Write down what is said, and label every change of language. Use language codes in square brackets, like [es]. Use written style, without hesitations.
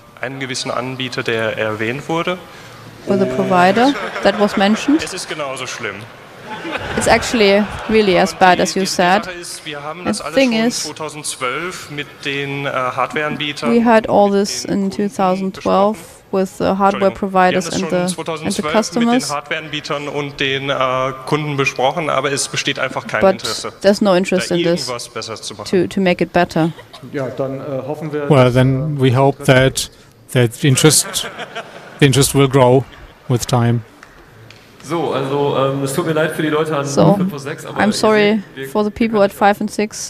[de] Einen gewissen Anbieter, der erwähnt wurde. [en] For the provider that was mentioned. [de] Es ist genauso schlimm. [en] It's actually really as bad as you said. The thing is, [de] 2012 mit den Hardware-Anbietern. [en] We had all this in 2012 with the hardware providers and the customers. [de] Mit den Hardware-Anbietern und den Kunden besprochen, aber es besteht einfach kein [en] but [de] Interesse. [en] But there's no interest in this to make it better. [de] Ja, dann hoffen wir. [en] Well, then we hope that the interest will grow with time. [de] So, also es tut mir leid für die Leute an 5 und 6, aber [en] I'm sorry for the people at 5 and 6.